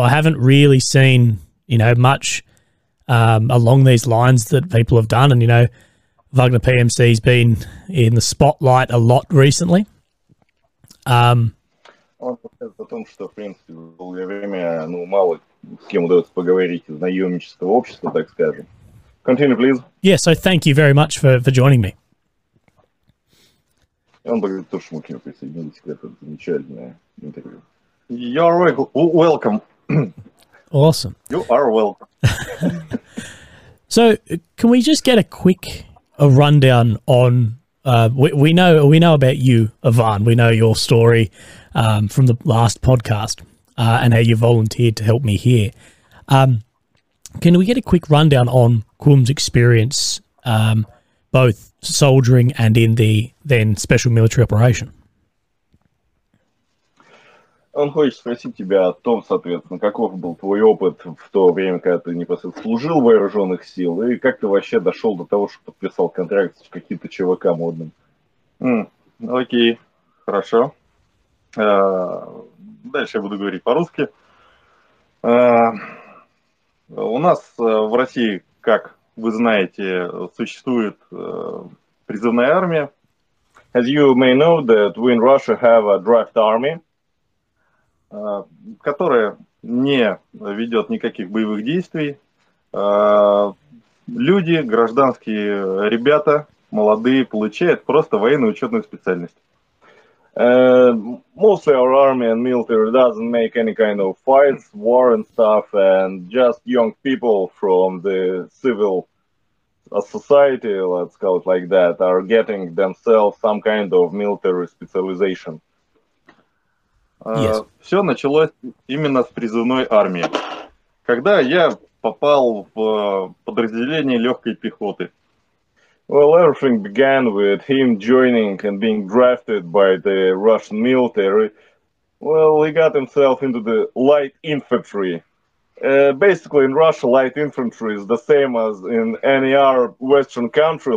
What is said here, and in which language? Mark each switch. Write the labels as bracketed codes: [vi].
[en] I haven't really seen, you know, much along these lines that people have done. And, you know, Wagner PMC has been in the spotlight a lot recently. Continue, please. Yeah, so thank you very much for joining me. [ru] Он говорит, что мы к нему присоединились, это замечательное интервью. [en] You're welcome. Awesome. You are welcome. So, can we just get a rundown on? We know about you, Ivan. We know your story from the last podcast and how you volunteered to help me here. Can we get a quick rundown on Kum's experience, both soldiering and in the then special military operation? [ru] Он хочет спросить тебя о том, соответственно, каков был твой опыт в то время, когда ты непосредственно служил в вооруженных силах, и как ты вообще дошел до того, что подписал контракт с каким-то ЧВК модным. Окей, хорошо. Дальше я буду говорить по-русски. У нас в России, как вы знаете, существует призывная армия. [en] As you may know, that we in Russia have a draft army, [ru] которая не ведет никаких боевых действий. Люди, гражданские ребята, молодые, получают просто военно-учетную специальность. [en] Mostly our army and military doesn't make any kind of fights, war and stuff, and just young people from the civil society, let's call it like that, are getting themselves some kind of military specialization. Yes. [ru] Все началось именно с призывной армии. Когда я попал в подразделение легкой пехоты. [en] Well, everything began with him joining and being drafted by the Russian military. Well, he got himself into the light infantry. Basically, in Russia, light infantry is the same as in any other Western country.